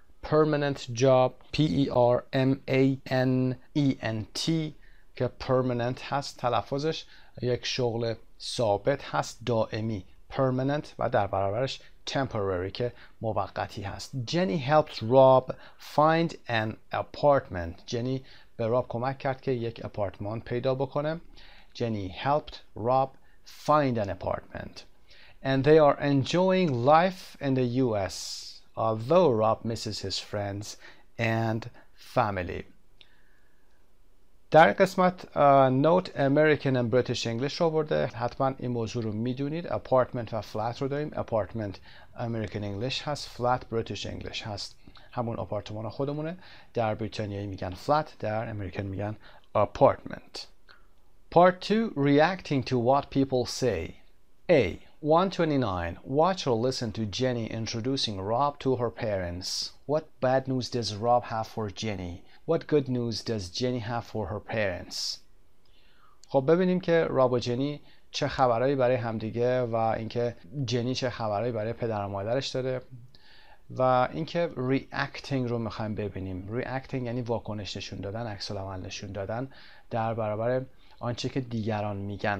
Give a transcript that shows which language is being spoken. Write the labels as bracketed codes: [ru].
[en] Permanent job [fa] P-E-R-M-A-N-E-N-T که permanent هست، تلفظش یک شغل ثابت هست، دائمی permanent، و در برابرش temporary که موقتی هست. [en] Jenny helped Rob find an apartment. [fa] Jenny به راب کمک کرد که یک اپارتمان پیدا بکنه. [en] Jenny helped Rob find an apartment. And they are enjoying life in the US, although Rob misses his friends and family. [fa] در قسمت نوت [en] American and British English [fa] رو برده، حتما این موضوع رو میدونید. Apartment و flat رو داریم. [en] Apartment American English [fa] هست، [en] flat British English [fa] هست، همون آپارتمان خودمونه. در بریتانیایی میگن flat، در امریکن میگن apartment. [en] Part 2. Reacting to what people say. A. 129. Watch or listen to Jenny introducing Rob to her parents. What bad news does Rob have for Jenny? What good news does Jenny have for her parents? [fa] خب ببینیم که راب و جنی چه خبرهایی برای همدیگه و اینکه جنی چه خبرهایی برای پدر و مادرش داره و اینکه reacting رو میخوایم ببینیم. Reacting یعنی واکنش نشون دادن، عکس العمل نشون دادن در برابر آنچه که دیگران میگن.